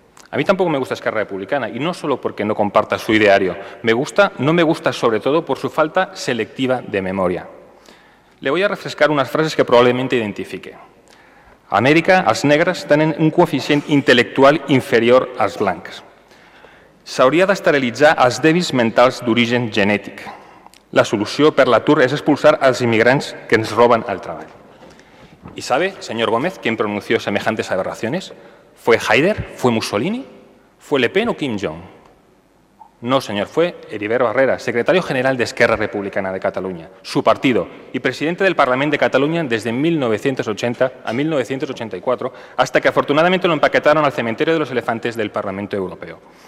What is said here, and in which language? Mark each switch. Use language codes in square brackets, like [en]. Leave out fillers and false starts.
[es] A mí tampoco me gusta Esquerra Republicana, y no solo porque no comparta su ideario. No me gusta sobre todo por su falta selectiva de memoria. Le voy a refrescar unas frases que probablemente identifique. América, las negras, tienen un coeficiente intelectual inferior a las blancas. [ca] S'hauria d'esterilitzar els dèbils mentals d'origen genètic. La solució per l'atur és expulsar els immigrants que ens roben el treball. [es] ¿Y sabe, señor Gómez, quién pronunció semejantes aberraciones? ¿Fue Haider? ¿Fue Mussolini? ¿Fue Le Pen o Kim Jong? No, señor, fue Heribert Barrera, secretario general de Esquerra Republicana de Cataluña, su partido y presidente del Parlamento de Cataluña desde 1980 a 1984, hasta que afortunadamente lo empaquetaron al cementerio de los elefantes del Parlamento Europeo.